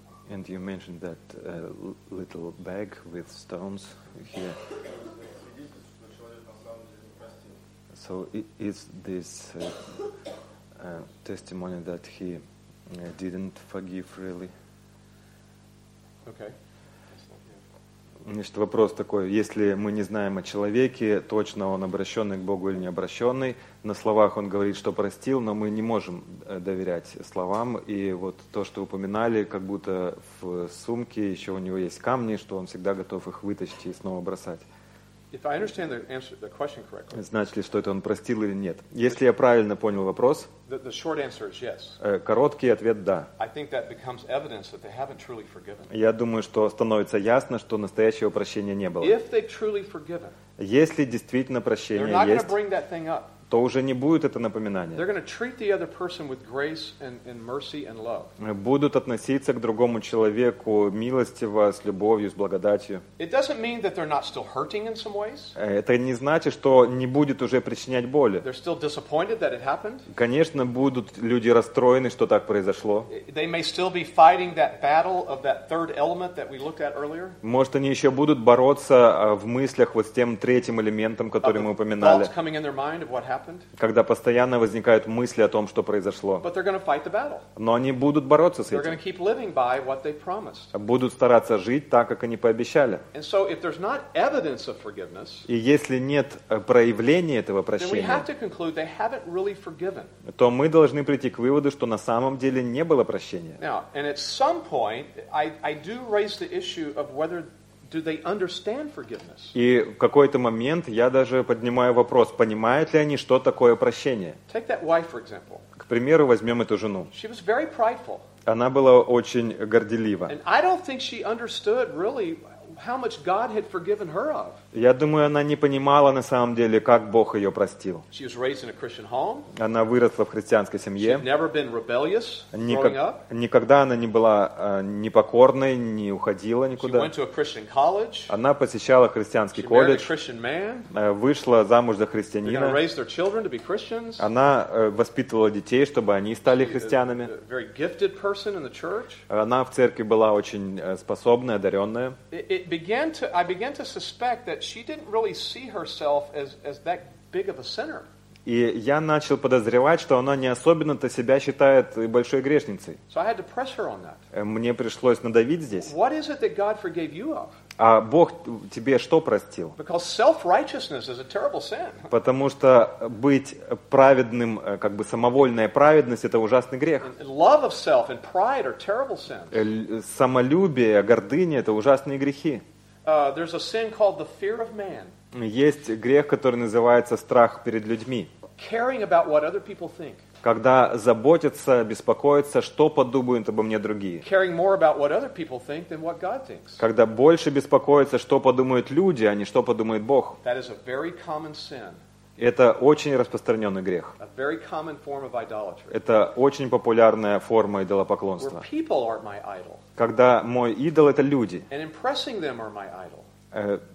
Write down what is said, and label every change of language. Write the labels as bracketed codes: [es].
[en] And you mentioned that little bag with stones here. So is this testimony that he didn't forgive really? Okay. [ru] Значит, вопрос такой, если мы не знаем о человеке, точно он обращенный к Богу или не обращенный, на словах он говорит, что простил, но мы не можем доверять словам, и вот то, что упоминали, как будто в сумке еще у него есть камни, что он всегда готов их вытащить и снова бросать. [en] If I understand the answer, the question correctly, [ru] значит ли, что это он простил или нет? Если я правильно понял вопрос, [en] the short answer is yes. [ru] Короткий ответ – да. [en] I think that becomes evidence that they haven't truly forgiven. [ru] Я думаю, что становится ясно, что настоящего прощения не было. [en] If they truly forgiven, [ru] если действительно прощение [en] they're not [ru] есть, [en] bring that thing up. [ru] То уже не будет это напоминание. [en] They're going to treat the other person with grace and mercy and love. [ru] Будут относиться к другому человеку милостиво, с любовью, с благодатью. [en] It doesn't mean that they're not still hurting in some ways. [ru] Это не значит, что не будет уже причинять боли. [en] They're still disappointed that it happened. [ru] Конечно, будут люди расстроены, что так произошло. [en] They may still be fighting that battle of that third element that we looked at earlier. [ru] Может, они еще будут бороться в мыслях вот с тем третьим элементом, который мы упоминали. [en] Thoughts coming in their mind of what [ru] когда постоянно возникают мысли о том, что произошло. Но они будут бороться с этим. Будут стараться жить так, как они пообещали. И если нет проявления этого прощения, то мы должны прийти к выводу, что на самом деле не было прощения. [en] Now, and at some point, I do raise the issue of whether do they understand forgiveness? [ru] И в какой-то момент я даже поднимаю вопрос, понимают ли они, что такое прощение. [en] Take that wife, for example. [ru] К примеру, возьмем эту жену. [en] She was very prideful. [ru] Она была очень горделива. [en] And I don't think she understood really how much God had forgiven her of. [ru] Я думаю, она не понимала на самом деле, как Бог ее простил. [en] She was raised in a Christian home. [ru] Она выросла в христианской семье. [en] She had never been rebellious growing up. [ru] Никогда она не была непокорной, не уходила никуда. [en] She went to a Christian college. [ru] Она посещала христианский [en] she [ru] колледж. [en] Married a Christian man. [ru] Вышла замуж за христианина. [en] They're gonna raise their children to be Christians. [ru] Она воспитывала детей, чтобы они стали христианами. [en] She was a very gifted person in the church. [ru] Она в церкви была очень способная, одаренная. [en] I began to suspect that she didn't really see herself as that big of a sinner. [ru] И я начал подозревать, что она не особенно-то себя считает большой грешницей. [en] So I had to press her on that. [ru] Мне пришлось надавить здесь. [en] What is it that God forgave you of? [ru] А Бог тебе что простил? [en] Because self-righteousness is a terrible sin. [ru] Потому что быть праведным, как бы самовольная праведность, это ужасный грех. [en] And love of self and pride are terrible sins. [ru] Самолюбие, гордыня, это ужасные грехи. [en] There's a sin called the fear of man. [ru] Есть грех, который называется страх перед людьми. [en] Caring about what other people think. [ru] Когда заботиться, беспокоиться, что подумают обо мне другие. [en] Caring more about what other people think than what God thinks. [ru] Когда больше беспокоиться, что подумают люди, а не что подумает Бог. [en] That is a very common sin. [ru] Это очень распространенный грех. [en] A very common form of idolatry. [ru] Это очень популярная форма идолопоклонства. [en] Where people are my idol. [ru] Когда мой идол — это люди. [en] And impressing them are my idol.